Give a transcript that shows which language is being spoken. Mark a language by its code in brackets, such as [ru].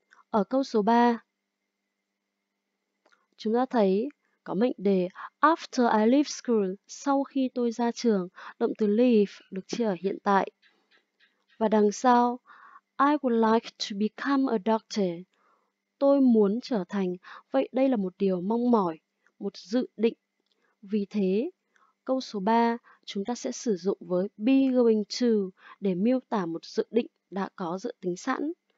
[vi] Ở câu số 3, chúng ta thấy có mệnh đề [en] after I leave school, [vi] sau khi tôi ra trường, động từ leave được chia ở hiện tại. Và đằng sau, [en] I would like to become a doctor. [vi] Tôi muốn trở thành, vậy đây là một điều mong mỏi, một dự định. Vì thế, câu số 3 chúng ta sẽ sử dụng với [en] be going to [vi] để miêu tả một dự định đã có dự tính sẵn.